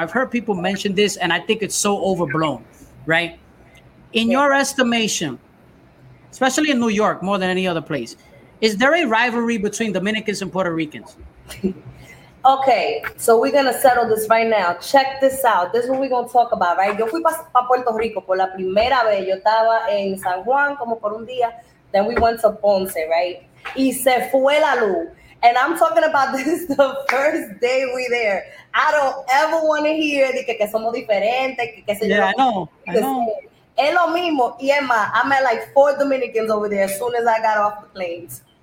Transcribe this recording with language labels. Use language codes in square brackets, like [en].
[en] I've heard people mention this, and I think it's so overblown, right? In your estimation, especially in New York, more than any other place, is there a rivalry between Dominicans and Puerto Ricans? Okay, so we're going to settle this right now. Check this out. This is what we're going to talk about, right? [es] Yo fui pa Puerto Rico por la primera vez. Yo estaba en San Juan como por un día. [en] Then we went to Ponce, right? [es] Y se fue la luz. [en] And I'm talking about this the first day we there. I don't ever want to hear [es] que somos diferentes. Que se [en] yeah, I know. [es] Es lo mismo. [en] Y Emma, I met like 4 Dominicans over there as soon as I got off the planes.